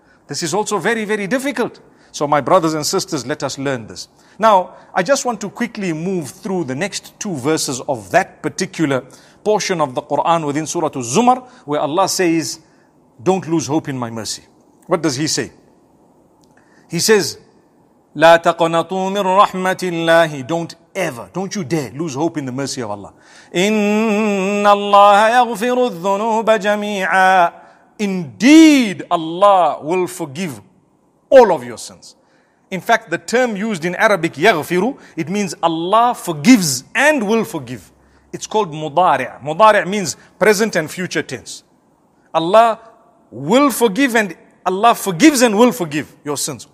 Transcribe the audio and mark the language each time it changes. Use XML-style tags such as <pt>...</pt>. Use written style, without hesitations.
<en>This is also very, very difficult. So my brothers and sisters, let us learn this. Now, I just want to quickly move through the next two verses of that particular portion of the Quran within Surah Az-Zumar, where Allah says, don't lose hope in my mercy. What does He say? He says,</en> <ar>لا تقنطوا من رحمة الله.</ar> <en>Don't you dare lose hope in the mercy of Allah.</en> <ar>إن الله يغفر الذنوب جميعا.</ar> <en>Indeed, Allah will forgive all of your sins. In fact, the term used in Arabic, يغفر, it means Allah forgives and will forgive. It's called mudari'. Mudari' means present and future tense. Allah will forgive and Allah forgives and will forgive your sins.</en>